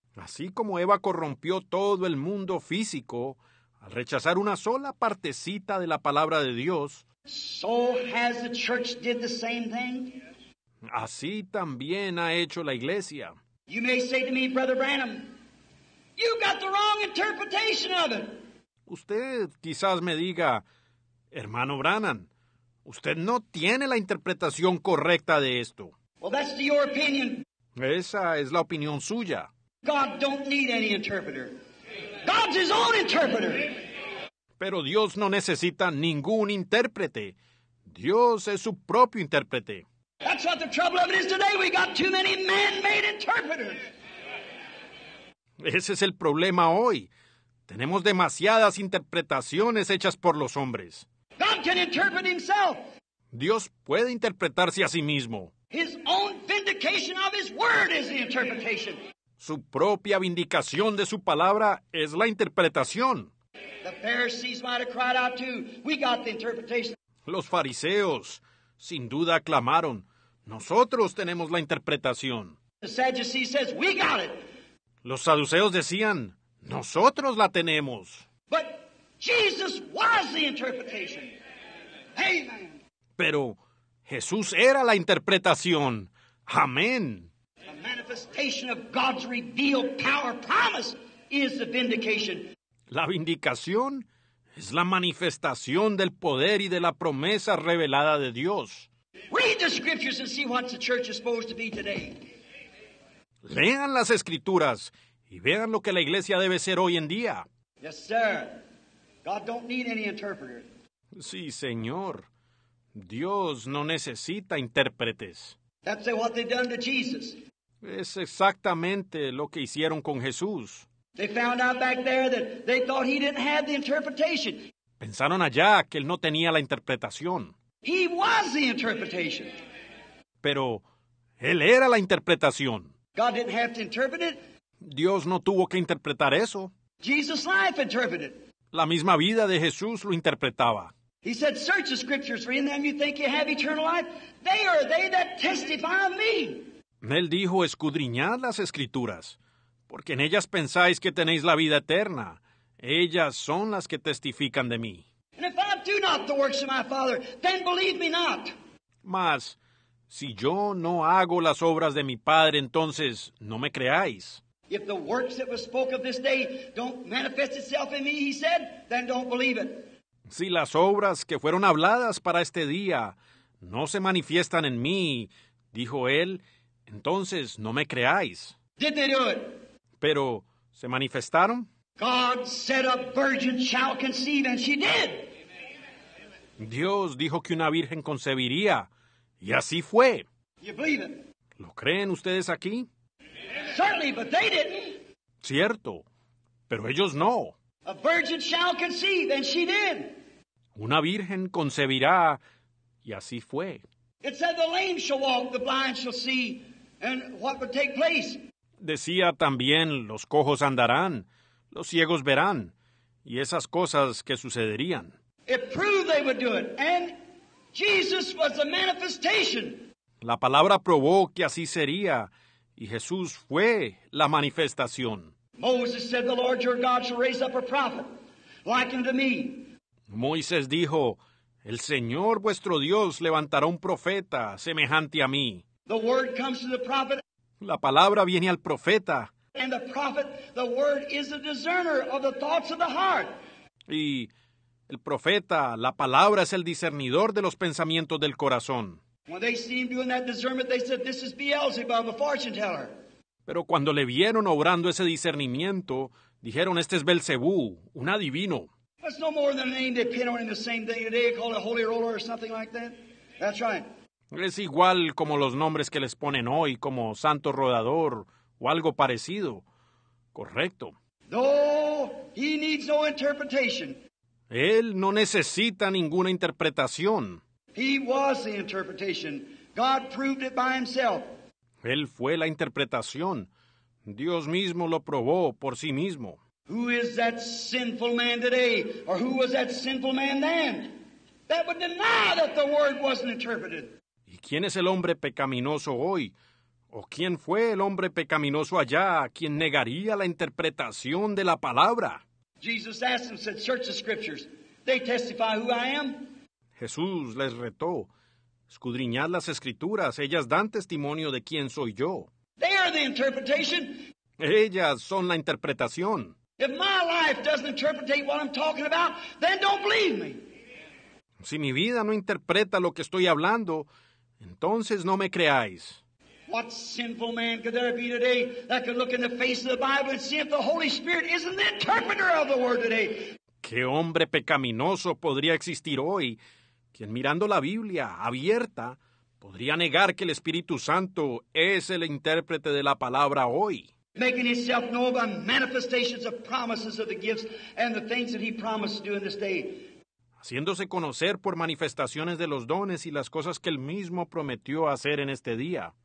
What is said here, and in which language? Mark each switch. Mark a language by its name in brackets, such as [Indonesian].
[Spanish] Así como Eva corrompió todo el mundo físico al rechazar una sola partecita de la palabra de Dios. [English] So has the church did the same thing. [Spanish] Así también ha hecho la iglesia. [English] You may say to me, Brother Branham, you got the wrong interpretation of it. [Spanish] Usted quizás me diga, hermano Branham, usted no tiene la interpretación correcta de esto. [English] Well, that's your opinion. [Spanish] Esa es la opinión suya. [English] God don't need any interpreter. God's his own interpreter. [Spanish] Pero Dios no necesita ningún intérprete. Dios es su propio intérprete. [English] That's what the trouble of it is today. We got too many man-made interpreters. [Spanish] Ese es el problema hoy. Tenemos demasiadas interpretaciones hechas por los hombres. [English] God can interpret himself. [Spanish] Dios puede interpretarse a sí mismo. [English] His own vindication of his word is the interpretation. [Spanish] Su propia vindicación de su palabra es la interpretación. [English] The Pharisees might have cried out too. We got the interpretation. [Spanish] Los fariseos sin duda clamaron, nosotros tenemos la interpretación. [English] The Sadducees says, we got it. [Spanish] Los saduceos decían, nosotros la tenemos. [English] But Jesus was the interpretation. Amen. [Spanish] Pero Jesús era la interpretación. Amén. [English] The manifestation of God's revealed power promise is the vindication. [Spanish] La vindicación es la manifestación del poder y de la promesa revelada de Dios. [English] Read the scriptures and see what the church is supposed to be today. [Spanish] Lean las escrituras y vean lo que la iglesia debe ser hoy en día. [English] Yes, sir. God don't need any interpreter. [Spanish] Sí, señor. Dios no necesita intérpretes. [English] That's what they've done to Jesus. [Spanish] Es exactamente lo que hicieron con Jesús. [English] They found out back there that they thought he didn't have the interpretation. [Spanish] Pensaron allá que él no tenía la interpretación. [English] He was the interpretation. [Spanish] Pero él era la interpretación. [English] God didn't have to interpret it. [Spanish] Dios no tuvo que interpretar eso. [English] Jesus' life interpreted. [Spanish] La misma vida de Jesús lo interpretaba. [English] He said, search the scriptures, for in them you think you have eternal life. They are they that testify of me. [Spanish] Él dijo, escudriñad las escrituras. Porque en ellas pensáis que tenéis la vida eterna. Ellas son las que testifican de mí. [English] And if I do not the works of my Father, then believe me not. [Spanish] Mas, Si yo no hago las obras de mi Padre, entonces no me creáis. [English] If the works that were spoke of this day don't manifest itself in me, he said, then don't believe it. [Spanish] Si las obras que fueron habladas para este día no se manifiestan en mí, dijo él, entonces no me creáis. [English] Did they do it? [Spanish] Pero, ¿se manifestaron? [English] God said a virgin shall conceive, and she did. [Spanish] Dios dijo que una virgen concebiría, y así fue. [English] You believe it? [Spanish] ¿Lo creen ustedes aquí? [English] Certainly, but they didn't. [Spanish] Cierto, pero ellos no. [English] A virgin shall conceive, and she did. [Spanish] Una virgen concebirá, y así fue. [English] It said the lame shall walk, the blind shall see, and what would take place. [Spanish] Decía también, los cojos andarán, los ciegos verán, y esas cosas que sucederían. [English] It proved they would do it, and Jesus was the manifestation. [Spanish] La palabra probó que así sería, y Jesús fue la manifestación. [English] Moses said, the Lord your God shall raise up a prophet like unto me. [Spanish] Moisés dijo, el Señor vuestro Dios levantará un profeta semejante a mí. [English] The word comes to the prophet. [Spanish] La palabra viene al profeta. [English] And the prophet, the word is the discerner of the thoughts of the heart. [Spanish] Y el profeta, la palabra es el discernidor de los pensamientos del corazón. [English] When they see him doing that discernment, they said, this is Beelzebub, a fortune teller. [Spanish] Pero cuando le vieron obrando ese discernimiento, dijeron, este es Belcebú, un adivino. [English] That's no more than a name they pin on him the same day today, called a holy roller or something like that. That's right. [Spanish] Es igual como los nombres que les ponen hoy, como Santo Rodador o algo parecido. Correcto. [English] No, he needs no interpretation. [Spanish] Él no necesita ninguna interpretación. [English] He was the interpretation. God proved it by himself. [Spanish] Él fue la interpretación. Dios mismo lo probó por sí mismo. [English] Who is that sinful man today? Or who was that sinful man then? That would deny that the word wasn't interpreted. [Spanish] ¿Y quién es el hombre pecaminoso hoy? ¿O quién fue el hombre pecaminoso allá, quien negaría la interpretación de la palabra? [English] Jesus asked them, said, search the scriptures. They testify who I am. [Spanish] Jesús les retó, escudriñad las escrituras, ellas dan testimonio de quién soy yo. [English] They are the interpretation. [Spanish] Ellas son la interpretación. [English] If my life doesn't interpretate what I'm talking about, then don't believe me. [Spanish] Si mi vida no interpreta lo que estoy hablando, entonces no me creáis. [English] What sinful man could there be today that could look in the face of the Bible and see if the Holy Spirit isn't the interpreter of the word today? [Spanish] ¿Qué hombre pecaminoso podría existir hoy, quien mirando la Biblia abierta, podría negar que el Espíritu Santo es el intérprete de la palabra hoy? [English] Making himself known by manifestations of promises of the gifts and the things that he promised to do in this day. [Spanish] Haciéndose conocer por manifestaciones de los dones y las cosas que él mismo prometió hacer en este día.